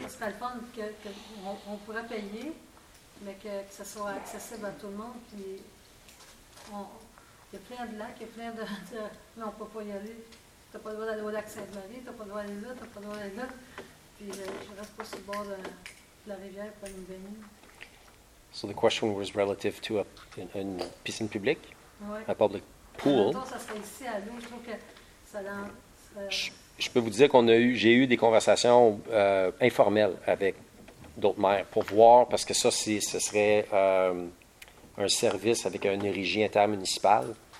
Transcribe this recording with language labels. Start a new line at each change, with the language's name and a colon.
French: Ça serait le fun qu'on pourrait payer, mais que ça soit accessible à tout le monde. Puis il y a plein de lacs, il y a plein de... mais on ne peut pas y aller. T'as pas le droit d'aller au lac Sainte-Marie, t'as pas le droit d'aller là, t'as pas le droit d'aller là. Puis je reste pas sur le bord de la rivière pour aller me baigner.
English: So the question was relative to a
French: piscine publique? Ouais.
English: A public pool?
French: Attends, ça serait ici à l'eau, je trouve que ça l'entre. Je peux vous dire qu'on a eu, j'ai eu des conversations informelles avec d'autres maires pour voir, parce que ça, ce serait un service avec un érigé intermunicipal.